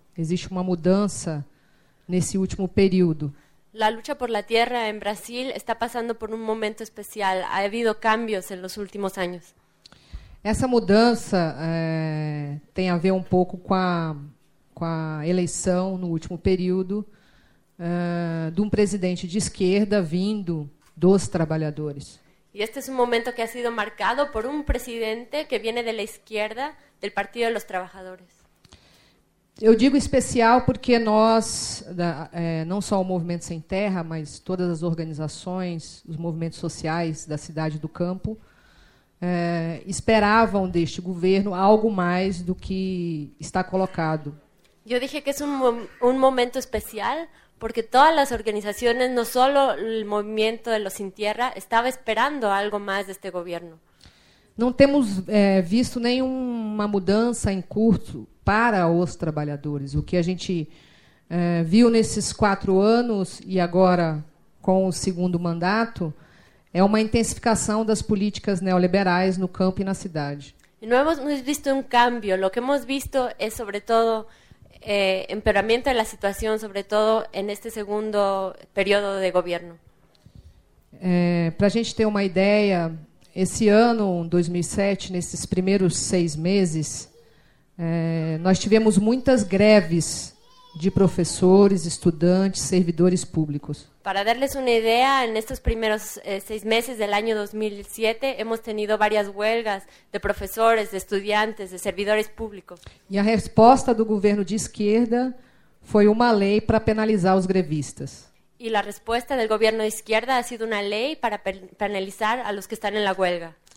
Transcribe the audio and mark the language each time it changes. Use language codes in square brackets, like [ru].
[pt] Existe uma mudança nesse último período. A luta [es] por la tierra en [pt] Brasil está passando por um momento especial. [es] Ha habido cambios en los últimos años. [pt] Essa mudança tem a ver um pouco com a eleição no último período de um presidente de esquerda vindo dos trabalhadores. [es] Y este es un momento que ha sido marcado por un presidente que viene de la izquierda, del Partido de los Trabajadores. [pt] Eu digo especial porque nós, não só o Movimento Sem Terra, mas todas as organizações, os movimentos sociais da cidade do campo, esperavam deste governo algo mais do que está colocado. [es] Eu dije que es un momento especial. Porque todas las organizaciones, no solo el movimiento de los sin tierra, estaba esperando algo más de este gobierno. No hemos visto ninguna mudanza en curso para los trabajadores. Lo que [pt] a gente [es] vio en estos 4 años y ahora con el segundo mandato es una intensificación de las políticas neoliberales en el campo y en la ciudad. No hemos visto un cambio. Lo que hemos visto es sobre todo empeoramiento de la situación, sobre todo en este segundo periodo de gobierno. [pt] Para a gente ter uma ideia, esse ano, 2007, nesses primeiros 6 meses, nós tivemos muitas greves de professores, estudantes, servidores públicos. [es] Para darles una idea, en estos primeros 6 meses del año 2007 hemos tenido varias huelgas de profesores, de estudiantes, de servidores públicos. Y la respuesta del gobierno de izquierda fue una ley para penalizar los grevistas. Y la respuesta del gobierno de izquierda ha sido una ley para penalizar a los que están en la huelga.